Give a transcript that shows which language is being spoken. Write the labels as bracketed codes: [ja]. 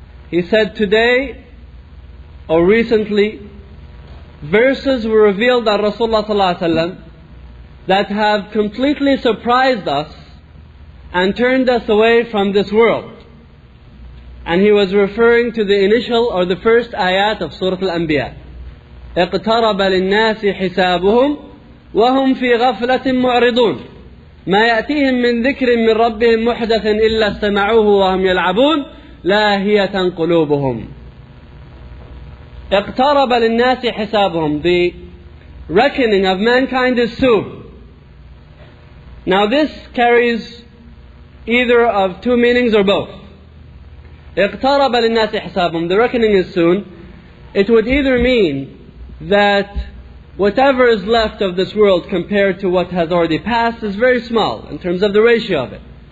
[en] He said, "Today, or recently, verses were revealed that Rasulullah sallallahu alaihi wasallam that have completely surprised us and turned us away from this world." And he was referring to the initial or the first ayat of Surah Al-Anbiya. [ar] اقترب للناس حسابهم وهم في غفلة معرضون ما يأتيهم من ذكر من ربهم محدث إلا استمعوه وهم يلعبون لاهية قلوبهم. اقترب للناس حسابهم. [en] The reckoning of mankind is soon. Now this carries either of two meanings or both. [ar] اقترب للناس حسابهم. [en] The reckoning is soon. It would either mean that whatever is left of this world compared to what has already passed is very small in terms of the ratio of it.